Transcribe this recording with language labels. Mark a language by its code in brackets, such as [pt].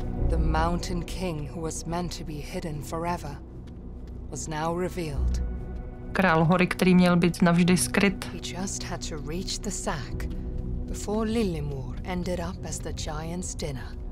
[en] The mountain king who was meant to be hidden forever was now revealed. [cs] Král hory, který měl být navždy skryt. [en] He just had to reach the sack. Before Lilimur ended up as the giant's dinner.